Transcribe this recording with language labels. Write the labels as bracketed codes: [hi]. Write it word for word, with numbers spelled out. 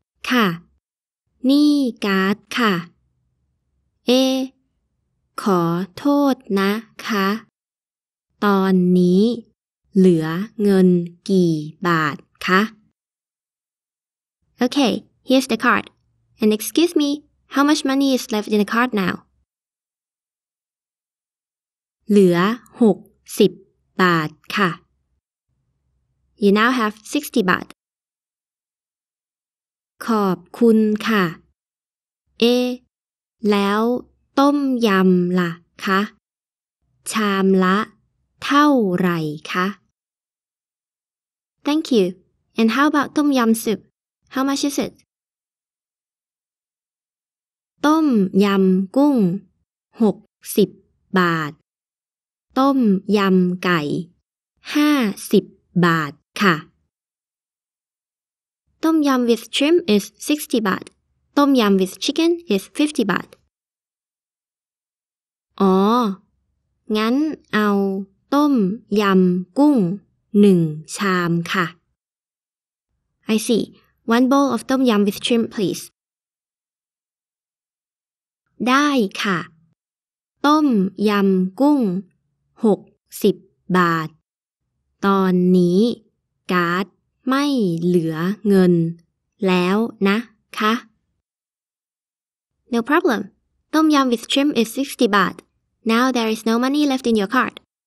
[th] ค่ะนี่การ์ดค่ะเอขอโทษนะคะตอนนี้เหลือเงินกี่บาทคะ [en] Okay, here's the card. And excuse me, how much money is left in the card now? [th] เหลือหกสิบบาทค่ะ [en] You now have sixty baht. [th] ขอบคุณค่ะเอแล้วต้มยำล่ะคะชามละเท่าไหร่คะ [en] Thank you. And how about tom yum soup? How much is it? [th] ต้มยำกุ้งหกสิบบาทต้มยำไก่ห้าสิบบาทค่ะ [en] Tom yum with shrimp is sixty baht. Tom yum with chicken is fifty baht. [th] อ๋องั้นเอาต้มยำกุ้งหนึ่งชามค่ะ [en] I see. One bowl of tom yum with shrimp, please. [th] ได้ค่ะต้มยำกุ้งหกสิบบาทตอนนี้การ์ดไม่เหลือเงินแล้วนะคะ [en] No problem. Tom yum with shrimp is sixty baht. Now there is no money left in your card.